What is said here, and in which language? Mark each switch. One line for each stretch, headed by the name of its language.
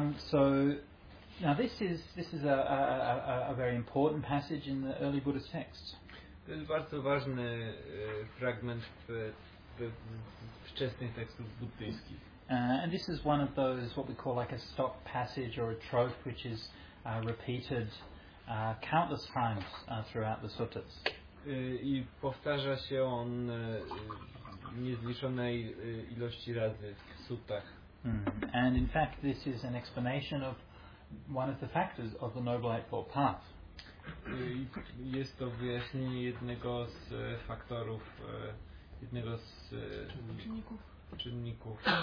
English: So now this is a very important passage in the early Buddhist texts.
Polish: To jest bardzo ważny fragment w wczesnych tekstach buddyjskich.
English: And this is one of those what we call like a stock passage or a trope, which is repeated countless times throughout the suttas.
Polish: I powtarza się on niezliczonej ilości razy w suttach.
English: And in fact, this is an explanation of one of the factors of the Noble Eightfold Path.
Polish: Jest to wyjaśnienie jednego z faktorów, jednego z czynników